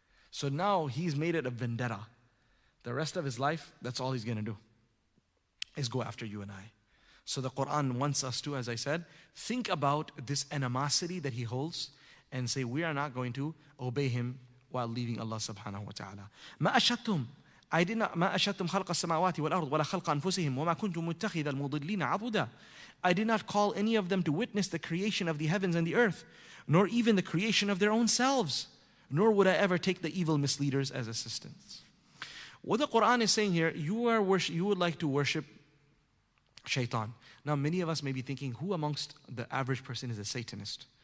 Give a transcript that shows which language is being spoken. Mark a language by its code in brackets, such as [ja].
[en] So now he's made it a vendetta. The rest of his life, that's all he's going to do, is go after you and I. So the Quran wants us to, as I said, think about this animosity that he holds and say, we are not going to obey him while leaving Allah subhanahu wa ta'ala. [ar] مَا أَشَتُّمْ [en] I did not [ar] ما أشهدتم خلق السماوات والأرض ولا خلق أنفسهم وما كنتم متخذ المضلين عبدا. [en] I did not call any of them to witness the creation of the heavens and the earth, nor even the creation of their own selves, nor would I ever take the evil misleaders as assistants. What the Quran is saying here, you would like to worship Shaitan. Now many of us may be thinking, who amongst the average person is a Satanist?